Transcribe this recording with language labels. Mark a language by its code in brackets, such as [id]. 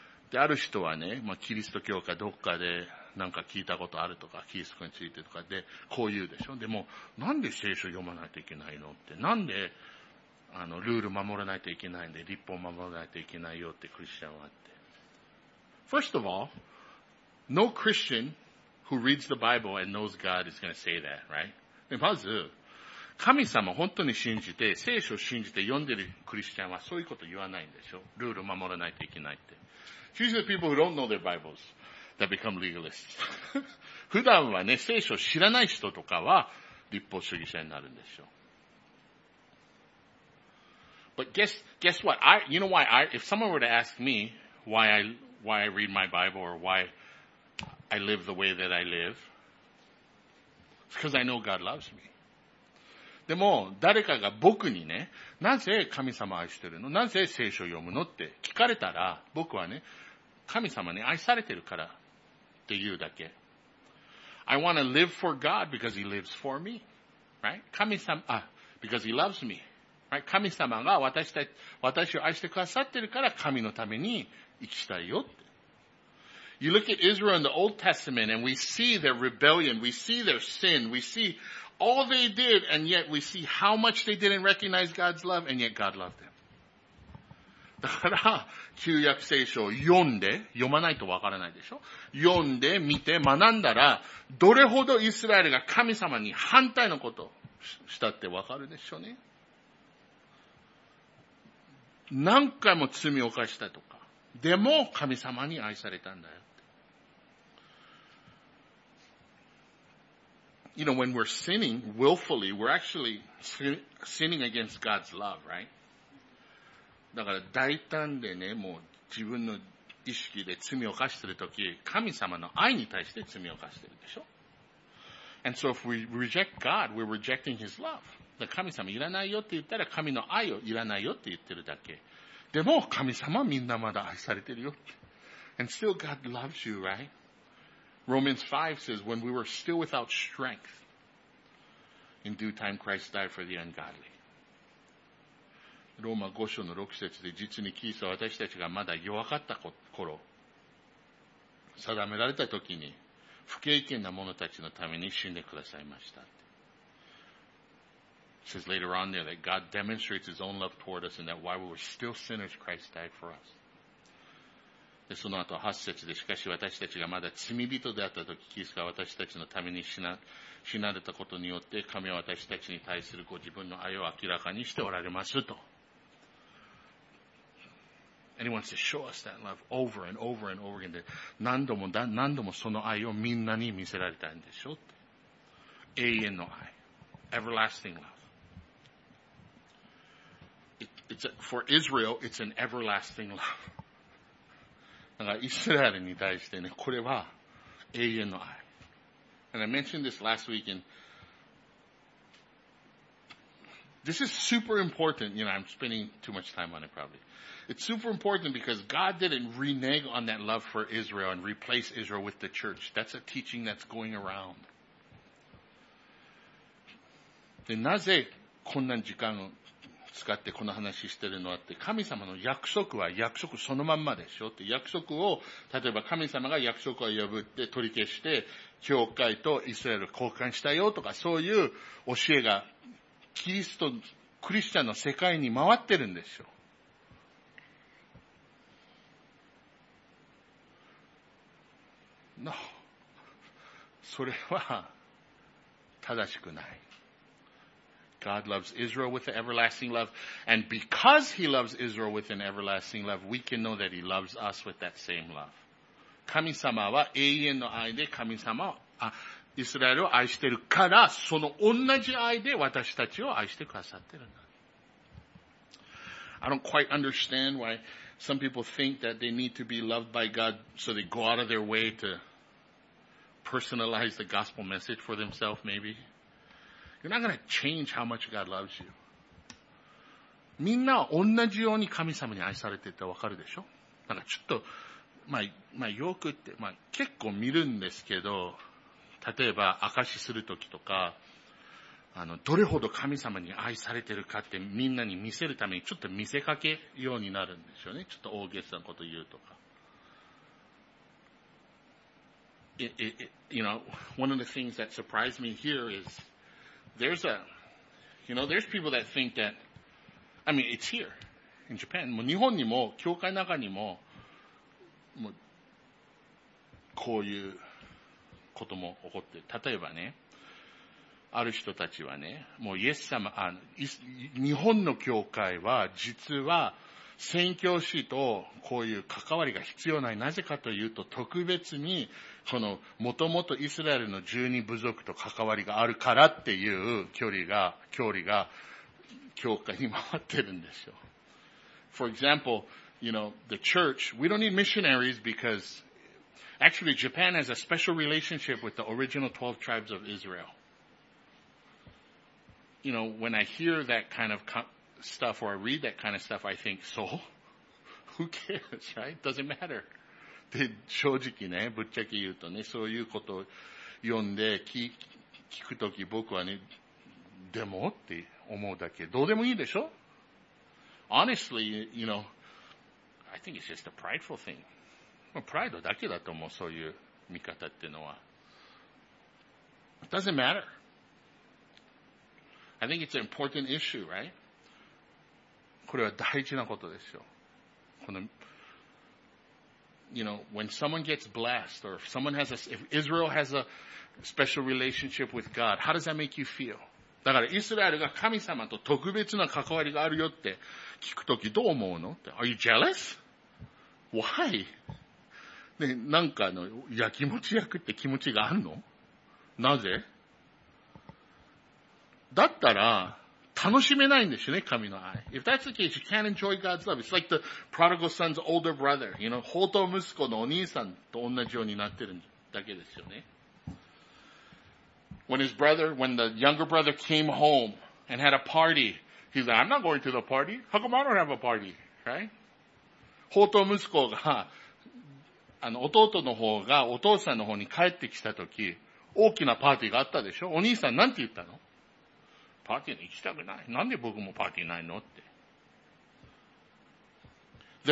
[ja] で、ある人はね、まあ、キリスト教かどっかで、なんか聞いたことあるとか、キリスト教についてとかで、こう言うでしょ。でも、なんで聖書読まないといけないのって、なんで、ルール守らないといけないんで、立法守らないといけないよってクリスチャンはって。 [en] First of all, no Christian who reads the Bible and knows God is going to say that, right? [ja] で、まず、神様本当に信じて、聖書を信じて読んでるクリスチャンはそういうこと言わないんでしょ。ルール守らないといけないって。 [en] Usually the people who don't know their Bibles that become legalists. [ja] 普段はね、聖書を知らない人とかは立法主義者になるんでしょ。 [en] But guess what? If someone were to ask me why I read my Bible or why I live the way that I live, it's because I know God loves me. [ja] でも、誰かが僕にね、なぜ神様を愛してるの？なぜ聖書を読むのって聞かれたら、僕はね、神様に愛されてるからって言うだけ。 [en] I want to live for God because he lives for me. Right? Because he loves me. Right? [ja] 神様が私を愛してくださってるから神のために生きたいよって。 [en] You look at Israel in the Old Testament and we see their rebellion, we see their sin, we see all they did, and yet we see how much they didn't recognize God's love, and yet God loved them. [ja] だから、旧約聖書を読んで、読まないとわからないでしょ？読んで、見て、学んだら、どれほどイスラエルが神様に反対のことをしたってわかるでしょうね？何回も罪を犯したとか、でも神様に愛されたんだよ。 [en] You know, when we're sinning willfully, we're actually sinning against God's love, right? [ja] だから大胆でね、もう自分の意識で罪を犯してるとき、神様の愛に対して罪を犯してるでしょ。 [en] And so if we reject God, we're rejecting His love. [ja] だから神様いらないよって言ったら、神の愛をいらないよって言ってるだけ。でも神様はみんなまだ愛されてるよって。 [en] And still God loves you, right? Romans 5 says, when we were still without strength, in due time Christ died for the ungodly. [ja] ローマ5章の6節で、実にキリストは私たちがまだ弱かった頃、定められた時に、不敬虔な者たちのために死んでくださいました。 [en] It says later on there that God demonstrates His own love toward us and that while we were still sinners, Christ died for us. [ja] で、その後8節で、しかし私たちがまだ罪人であった時、キリストは私たちのために死なれたことによって、神は私たちに対するご自分の愛を明らかにしておられますと。 [en] Anyone says, show us that love over and over and over again. [ja] 何度もその愛をみんなに見せられたんでしょうって。永遠の愛。 [en] Everlasting love. For Israel, it's an everlasting love. [ja] だから、イスラエルに対してね、これは永遠の愛。 [en] And I mentioned this last week, and this is super important. You know, I'm spending too much time on it probably. It's super important because God didn't renege on that love for Israel and replace Israel with the church. That's a teaching that's going around. [ja] で、なぜこんな時間を使ってこの話してるのはって、神様の約束は約束そのまんまでしょって、約束を、例えば神様が約束を破って取り消して、教会とイスラエル交換したよとか、そういう教えが、キリスト、クリスチャンの世界に回ってるんでしょ。 No. それは、正しくない。 [en] God loves Israel with an everlasting love, and because He loves Israel with an everlasting love, we can know that He loves us with that same love. [ja] 神様は永遠の愛で神様をイスラエルを愛してるから、その同じ愛で私たちを愛してくださってるんだ。 [en] I don't quite understand why some people think that they need to be loved by God, so they go out of their way to personalize the gospel message for themselves, maybe. You're not going to change how much God loves you. [ja] みんな同じように神様に愛されてて分かるでしょ？なんかちょっと、まあ、よくって、まあ、結構見るんですけど、例えば、証しするときとか、どれほど神様に愛されてるかってみんなに見せるために、ちょっと見せかけようになるんですよね。ちょっと大げさなこと言うとか。 [en] you know, one of the things that surprised me here is there's a, you know, there's people that think that, I mean, it's here in Japan. [ja] 日本にも教会の中にも、もうこういうことも起こって、例えばね、ある人たちはね、もうイエス様、あの、日本の教会は実は宣教師とこういう関わりが必要ない。なぜかというと特別にこの元々イスラエルの12部族と関わりがあるからっていう距離が教会に回ってるんですよ。 [en] For example, you know, the church, we don't need missionaries because actually Japan has a special relationship with the original 12 tribes of Israel. You know, when I hear that kind of stuff or I read that kind of stuff, I think, so? Who cares, right? Doesn't matter. [ja] で、正直ね、ぶっちゃけ言うとね、そういうことを読んで聞くとき僕はね、でもって思うだけ。どうでもいいでしょ? [en] Honestly, you know, I think it's just a prideful thing. [ja] プライドだけだと思う、そういう見方っていうのは。 [en] It doesn't matter. I think it's an important issue, right? [ja] これは大事なことですよ。 [en] この、you know, when someone gets blessed, or if someone has a, if Israel has a special relationship with God, how does that make you feel? [ja] だから、イスラエルが神様と特別な関わりがあるよって聞くときどう思うの? [en] Are you jealous? Why? [ja] で、なんかあの、やきもち焼くって気持ちがあるの?なぜ? だったら楽しめないんですよね、神の愛。 [en] If that's the case, you can't enjoy God's love. It's like the prodigal son's older brother. You know, [ja] 放蕩息子のお兄さんと同じようになってるだけですよね。 [en] When his brother, when the younger brother came home and had a party, he's like, I'm not going to the party. How come I don't have a party? Right? [ja] 放蕩息子が、あの、弟の方がお父さんの方に帰ってきたとき、大きなパーティーがあったでしょ?お兄さんなんて言ったの? パーティーに行きたくない。なんで僕もパーティーないのって。